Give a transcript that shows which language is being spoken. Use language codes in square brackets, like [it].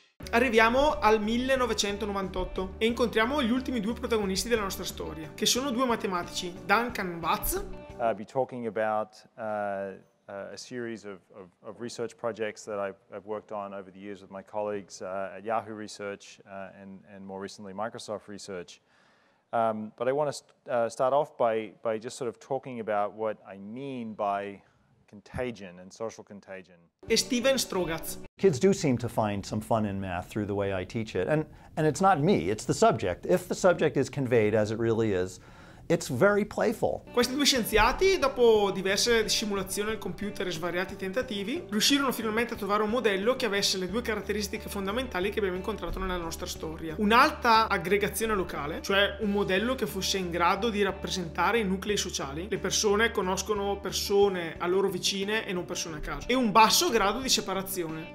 [it] Arriviamo al 1998 e incontriamo gli ultimi due protagonisti della nostra storia, che sono due matematici, Duncan Watts. [en] I'll be talking about a series of research projects that I've worked on over the years with my colleagues at Yahoo Research and more recently Microsoft Research. But I want to start off by just sort of talking about what I mean by contagion and social contagion. [it] E Steven Strogatz. [en] Kids do seem to find some fun in math through the way I teach it. And it's not me, it's the subject. If the subject is conveyed as it really is, it's very playful. [it] Questi due scienziati, dopo diverse simulazioni al computer e svariati tentativi, riuscirono finalmente a trovare un modello che avesse le due caratteristiche fondamentali che abbiamo incontrato nella nostra storia. Un'alta aggregazione locale, cioè un modello che fosse in grado di rappresentare i nuclei sociali, le persone conoscono persone a loro vicine e non persone a caso, e un basso grado di separazione.